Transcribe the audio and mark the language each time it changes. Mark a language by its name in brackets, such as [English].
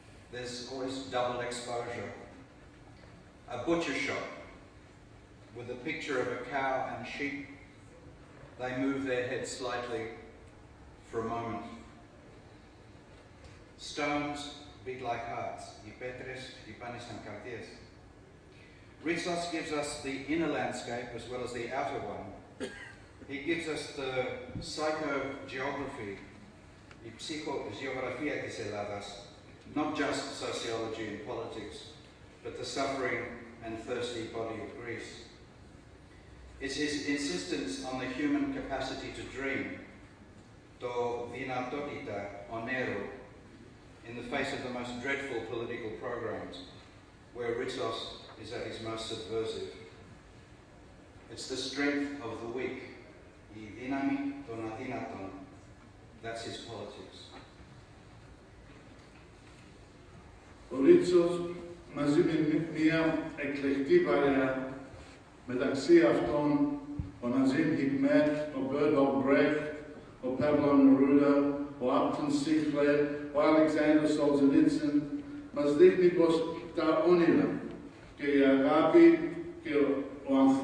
[English] There's always double exposure. A butcher shop with a picture of a cow and sheep. They move their heads slightly for a moment. Stones beat like hearts. [Greek] Οι πέτρες χτυπάνε σαν καρδιές. [English] Ritsos gives us the inner landscape as well as the outer one. He gives us the psychogeography, [Greek] η ψυχογεωγραφία της Ελλάδας, [English] not just sociology and politics, but the suffering and thirsty body of Greece. It's his insistence on the human capacity to dream, [Greek] το δυνατότητα ονέρου, [English] in the face of the most dreadful political programs, where Ritsos is at his most subversive. It's the strength of the weak, [Greek] η δύναμη των αδύνατων. [English] That's his politics. [Greek] Ο Ritsos, μαζί με μια εκλεκτή παρέα, μεταξύ αυτών, ο Ναζίμ Χικμέτ, ο Μπέρντολτ Μπρέχτ, ο Παύλο Νερούντα, ο Άπτον Σίχλερ, ο Αλεξάνδρος Σολζενίτσιν, μας δείχνει πως τα όνειρα και η αγάπη και ο